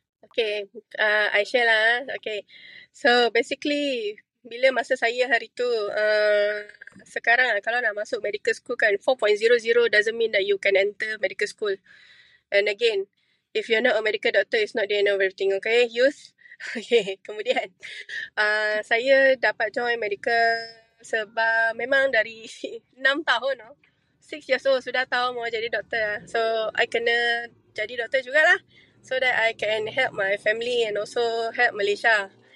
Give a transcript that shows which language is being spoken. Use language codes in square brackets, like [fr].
[en] Okay. I share lah. Okay. So, basically, [ms] bila masa saya hari tu, sekarang kalau nak masuk [en] medical school kan, 4.00 doesn't mean that you can enter medical school. And again, if you're not a medical doctor, it's not the end of everything, okay? [ms] Youth? Okay, kemudian. Saya dapat join medical sebab memang dari 6 tahun, 6 years old, sudah tahu mau jadi doktor. So, I kena jadi doktor jugalah. [en] So that I can help my family and also help Malaysia.